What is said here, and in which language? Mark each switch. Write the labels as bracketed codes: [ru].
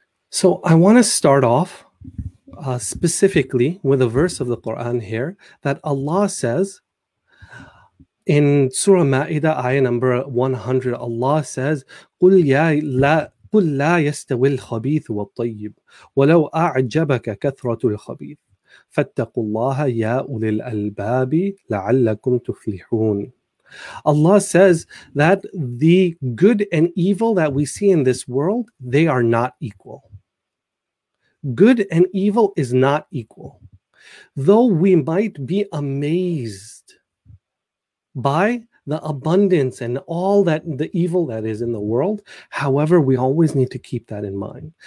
[en] So I want to start off specifically with a verse of the Quran here that Allah says in Surah Ma'idah, ayah number 100, Allah says, [ar] قُلْ يَا لَا قل لا يستوي الخبيث والطيب ولو أعجبك كثرة الخبيث فاتقوا الله يا أولي الألباب لعلكم تفلحون. [en] Allah says that the good and evil that we see in this world, they are not equal. Good and evil is not equal. Though we might be amazed by the abundance and all that the evil that is in the world, however, we always need to keep that in mind.